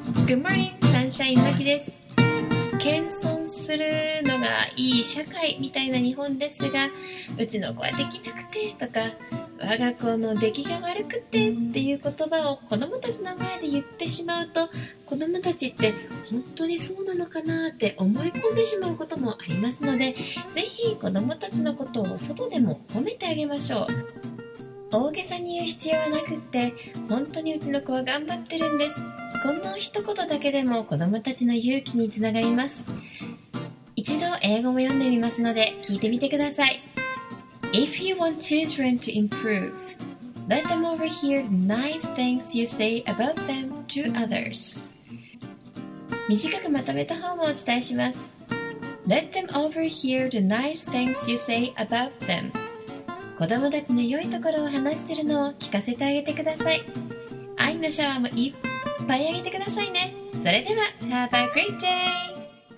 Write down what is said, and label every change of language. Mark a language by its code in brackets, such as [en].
[en] Good morning, [ja] サンシャインマキです。謙遜するのがいい社会みたいな日本ですが、うちの子はできなくてとか、我が子の出来が悪くてっていう言葉を子どもたちの前で言ってしまうと、子どもたちって本当にそうなのかなって思い込んでしまうこともありますので、ぜひ子どもたちのことを外でも褒めてあげましょう。大げさに言う必要はなくって、本当にうちの子は頑張ってるんです。この一言だけでも子どもたちの勇気につながります。一度英語も読んでみますので聞いてみてください。 [en] If you want children to improve, let them overhear the nice things you say about them to others. [ja] 短くまとめた方もお伝えします。 [en] Let them overhear the nice things you say about them. [ja] 子どもたちの良いところを話しているのを聞かせてあげてください。愛のシャワーもいっぱいあげてくださいね。それでは、 [en] Have a great day!